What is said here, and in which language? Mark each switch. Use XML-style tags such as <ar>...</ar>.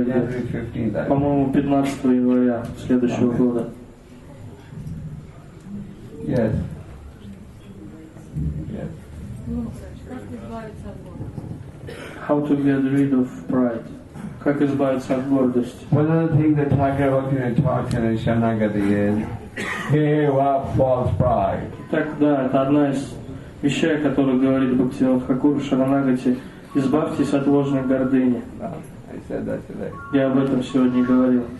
<en>January 15th.</en> <ru>По-моему, 15 января следующего года.</ru> <en>Yes. How to get rid of pride?</en> <ru>Как избавиться от гордости?</ru> <en>One of the things that Thakur Bhakti talks in Shanagati is give up false pride.</en> <ru>Так да, это одна из вещей, о которой говорит Бхактивинод Хакур в Шаранагати. Избавьтесь от ложной гордыни.</ru> <en>I said that today.</en> <ru>Я об этом сегодня говорил.</ru>